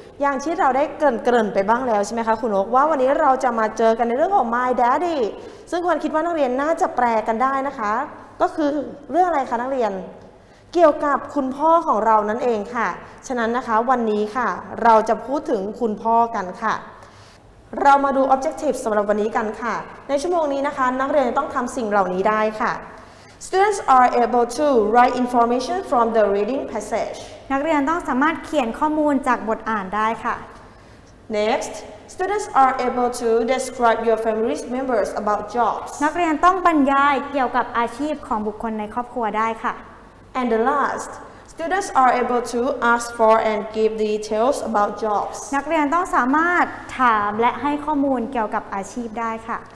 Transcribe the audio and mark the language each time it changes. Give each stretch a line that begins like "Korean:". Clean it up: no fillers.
Thai: อย่างที่เราได้เกริ่นไปบ้างแล้วใช่ไหมคะคุณโอ๊กว่าวันนี้เราจะมาเจอกันในเรื่องของ
English: my daddy
Thai: ซึ่งควรคิดว่านักเรียนน่าจะแปลกันได้นะคะก็คือเรื่องอะไรคะนักเรียนเกี่ยวกับคุณพ่อของเรานั่นเองค่ะฉะนั้นนะคะวันนี้ค่ะเราจะพูดถึงคุณพ่อกันค่ะเรามาดู objective สำหรับวันนี้กันค่ะในชั่วโมงนี้นะคะนักเรียนต้องทำสิ่งเหล่านี้ได้ค่ะ
English: Students are able to write information from the reading passage.
Thai: นักเรียนต้องสามารถเขียนข้อมูลจากบทอ่านได้ค่ะ
English: Next, students are able to describe your family's members about jobs.
Thai: นักเรียนต้องบรรยายเกี่ยวกับอาชีพของบุคคลในครอบครัวได้ค่ะ
English: And the last, students are able to ask for and give details about jobs.
Thai: นักเรียนต้องสามารถถามและให้ข้อมูลเกี่ยวกับอาชีพได้ค่ะ